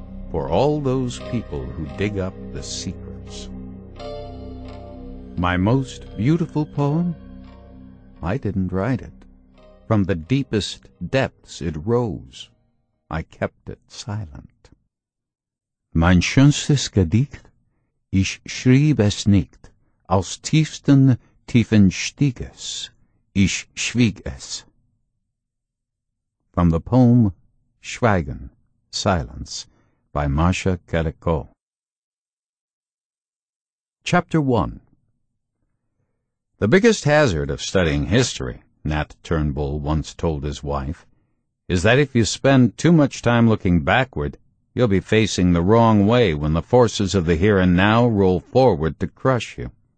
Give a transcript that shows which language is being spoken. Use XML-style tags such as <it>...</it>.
<en>For all those people who dig up the secrets. My most beautiful poem? I didn't write it. From the deepest depths it rose. I kept it silent.</en> <de>Mein schönstes Gedicht, ich schrieb es nicht, aus tiefsten Tiefen Stieges, ich schwieg es.</de> <en>From the poem Schweigen, Silence, by Masha Kereko. Chapter 1. The biggest hazard of studying history, Nat Turnbull once told his wife, is that if you spend too much time looking backward, you'll be facing the wrong way when the forces of the here and now roll forward to crush you.</en>